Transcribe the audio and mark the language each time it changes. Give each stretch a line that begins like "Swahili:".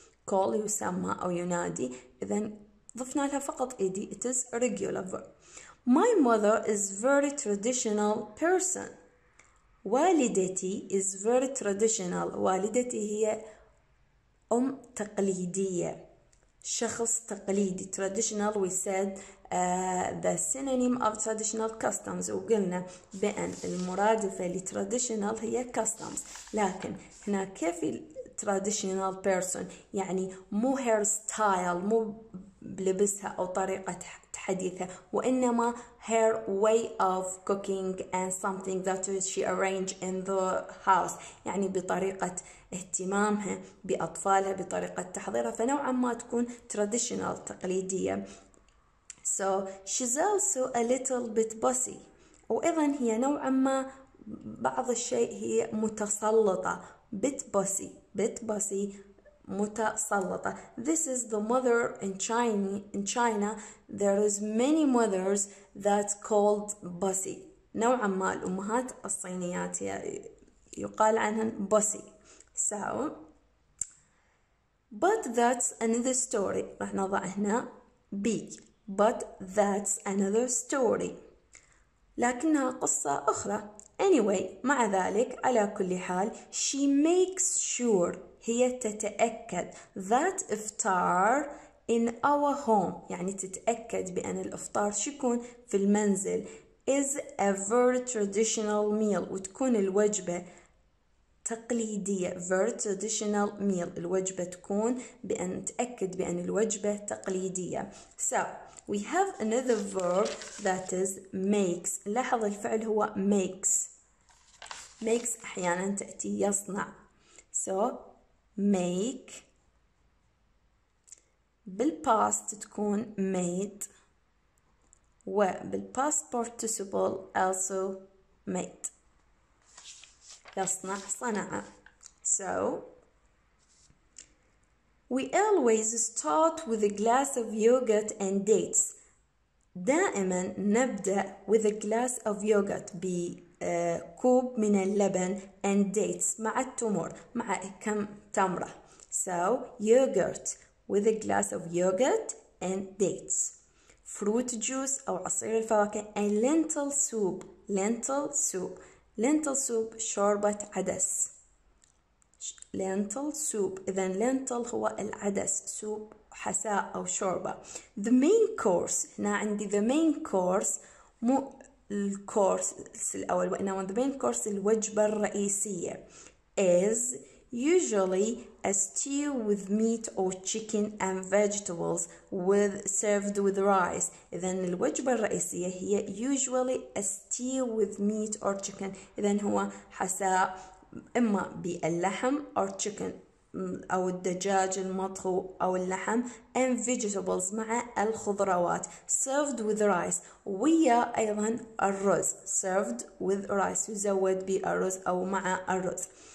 Arabic: Call يسمى أو ينادي. إذن ضفنا لها فقط إي دي.
English: It is regular verb. My mother is very traditional person. والدتي is very traditional.
Arabic: والدتي هي أم تقليدية, شخص تقليدي.
English: Traditional, we said the synonym of traditional customs.
Arabic: وقلنا بأن المرادفة لtraditional هي customs. لكن هنا كيف traditional person؟ يعني مو hair style, مو بلبسها أو طريقة حديثة, وإنما her way of cooking and something that she arranged in the house. يعني بطريقة اهتمامها بأطفالها, بطريقة تحضيرها, فنوعا ما تكون traditional, تقليدية.
English: So she's also a little bit bossy.
Arabic: وأيضا هي نوعا ما بعض الشيء هي متسلطة.
English: Bit bossy متسلطة. This is the mother in China. In China, there is many mothers that called bossy.
Arabic: نوعا ما الأمهات الصينيات يقال عنهن bossy.
English: So, but that's another story. رح نضع هنا B. But that's another story.
Arabic: لكنها قصة أخرى. Anyway, مع ذلك, على كل حال, she makes sure, هي تتأكد, that iftar in our home, يعني تتأكد بأن الإفطار شكون في المنزل, is a very traditional meal, وتكون الوجبة تقليدية. Very traditional meal, الوجبة تكون بأن تأكد بأن الوجبة تقليدية.
English: So we have another verb that is makes.
Arabic: لاحظ الفعل هو makes. Makes أحيانا تأتي يصنع.
English: So make بالpast تكون made, وبالpast participle also made.
Arabic: يصنع صنع.
English: So we always start with a glass of yogurt and dates.
Arabic: دائما نبدأ with a glass of yogurt بكوب من اللبن and dates مع التمر مع كم تمرة.
English: So yogurt with a glass of yogurt and dates. Fruit juice أو عصير الفواكه and lentil soup. Lentil soup. Lentil soup شوربة عدس. Lentil soup. إذن lentil هو العدس. Soup حساء أو شوربة. The main course.
Arabic: هنا عندي the main course. مو الكورس الأول. وإنما the main course الوجبة الرئيسية.
English: Is usually a stew with meat or chicken and vegetables with served with rice. إذن الوجبة الرئيسية هي usually a stew with meat or chicken.
Arabic: إذن هو حساء إما باللحم or chicken أو الدجاج المطهو أو اللحم and vegetables مع الخضروات served with rice ويا أيضا الرز served with rice يزود بالرز أو مع الرز.